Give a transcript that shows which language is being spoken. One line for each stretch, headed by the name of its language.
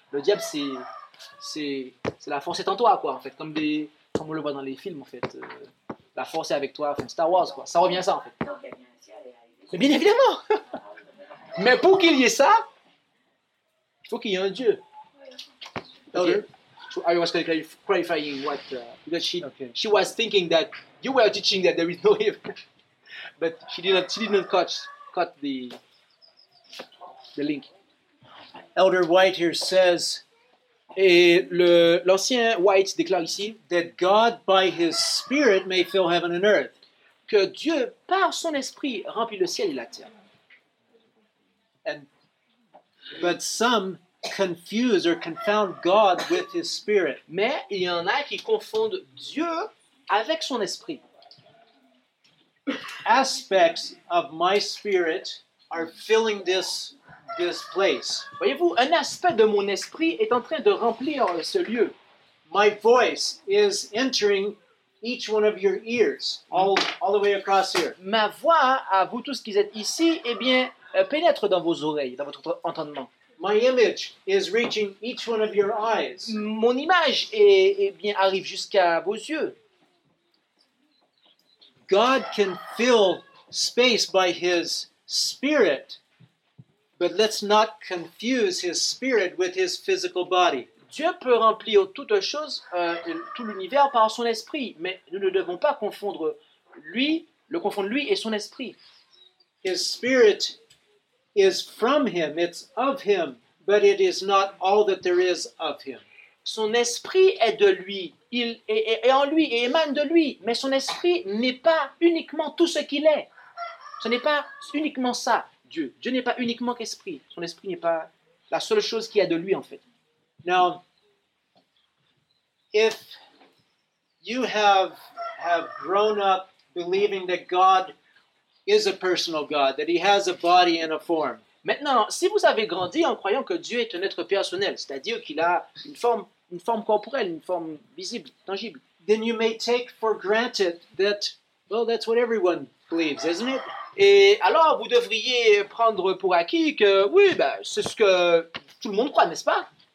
French: Le diable, c'est la force est en toi, quoi, en fait. Comme on le voit dans les films, en fait. La force est avec toi, enfin, Star Wars, quoi. Ça revient à ça, en fait. Mais bien évidemment. Mais pour qu'il y ait ça, il faut qu'il y ait un Dieu.
English: Okay. So I was clarifying what because she okay. She was thinking that you were teaching that there is no heaven, but she did not cut the link. Elder White here says,
French: et l'ancien White déclare ici
English: that God by His Spirit may fill heaven and earth.
French: Que Dieu, par son esprit, remplit le ciel et la terre.
English: But some confuse or confound God with His Spirit.
French: Mais il y en a qui confondent Dieu avec son esprit.
English: Aspects of my spirit are filling this place.
French: Voyez-vous, un aspect de mon esprit est en train de remplir ce lieu.
English: My voice is entering each one of your ears, all the way across here.
French: Ma voix, à vous tous qui êtes ici, eh bien, pénètre dans vos oreilles, dans votre entendement.
English: My image is reaching each one of your eyes.
French: Mon image eh bien, arrive jusqu'à vos yeux.
English: God can fill space by His Spirit, but let's not confuse His Spirit with His physical body.
French: Dieu peut remplir toute chose, tout l'univers par son esprit, mais nous ne devons pas confondre lui et son esprit.
English: His spirit is from him, it's of him, but it is not all that there is of him.
French: Son esprit est de lui, il est en lui et émane de lui, mais son esprit n'est pas uniquement tout ce qu'il est. Ce n'est pas uniquement ça, Dieu. Dieu n'est pas uniquement qu'esprit. Son esprit n'est pas la seule chose qu'il y a de lui, en fait.
English: Now, if you have grown up believing that God is a personal God, that He has a body and a form.
French: Maintenant, si vous avez grandi en croyant que Dieu est un être personnel, c'est-à-dire qu'il a une forme corporelle, une forme visible, tangible,
English: then you may take for granted that, well, that's what everyone believes, isn't it?
French: Et alors, vous devriez prendre pour acquis que, oui, ben, c'est ce que tout le monde croit, n'est-ce pas?